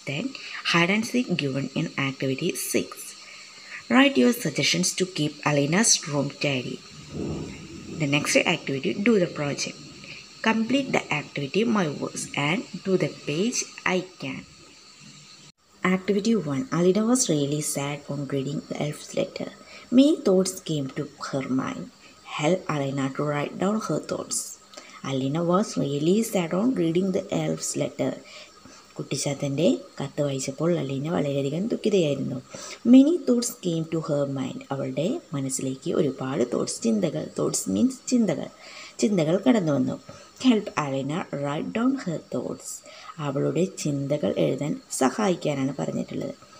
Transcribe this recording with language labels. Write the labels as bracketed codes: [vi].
[en] Then hide and seek given in activity 6. Write your suggestions to keep Alina's room tidy. The next activity, do the project. Complete the activity my words and do the page I can. Activity 1. Alina was really sad on reading the elf's letter. Many thoughts came to her mind. Help Alina to write down her thoughts. Alina was really sad on reading the elf's letter. [ml] കുട്ടിച്ചാത്തൻ്റെ കത്ത് വായിച്ചപ്പോൾ അലീന വളരെയധികം ദുഃഖിതയായിരുന്നു. [en] Many thoughts came to her mind. [ml] അവളുടെ മനസ്സിലേക്ക് ഒരുപാട് thoughts, ചിന്തകൾ, thoughts means ചിന്തകൾ, ചിന്തകൾ കടന്നു വന്നു. [en] Help Alina write down her thoughts. [ml] അവളുടെ ചിന്തകൾ എഴുതാൻ സഹായിക്കാനാണ് പറഞ്ഞിട്ടുള്ളത്.